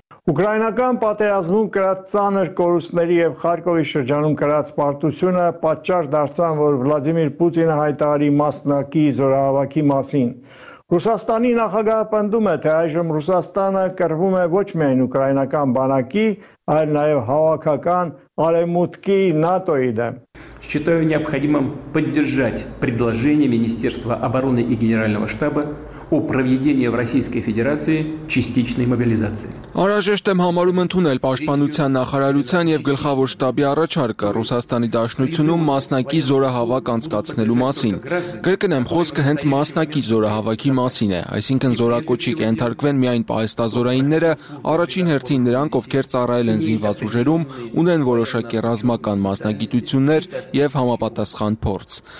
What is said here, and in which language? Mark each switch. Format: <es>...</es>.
<hy>Ուկրաինական պատերազմում կրած ծանր կորուստների և Խարկովի շրջանում կրած պարտությունը պատճառ դարձան, որ Վլադիմիր Պուտինը հայտարարի մասնակի զորահավաքի մասին։ Ռուսաստանի նախագահը պնդում է, թե այժմ Ռուսաստանը կռվում է ոչ միայն ուկրաինական բանակի, այլ նաև հավաքական արևմուտքի ՆԱՏՕ-ի դեմ։</hy> <ru>Считаю необходимым поддержать предложение Министерства обороны и Генерального штаба о проведении в Российской Федерации частичной мобилизации.</ru> <hy>Առաջեշտ եմ համարում ընդունել Պաշտպանության նախարարության և Գլխավոր շտաբի առաջարկը Ռուսաստանի Դաշնությունում մասնակի զորահավաք անցկացնելու մասին։ Կրկնեմ, խոսքը հենց մասնակի զորահավաքի մասին է, այսինքն զորակոչի կենթարկվեն միայն պահեստազորայինները, առաջին հերթին նրանք, ովքեր ծառայել են զինված ուժերում, ունեն որոշակի ռազմական մասնագիտություններ և համապատասխան փորձ։</hy>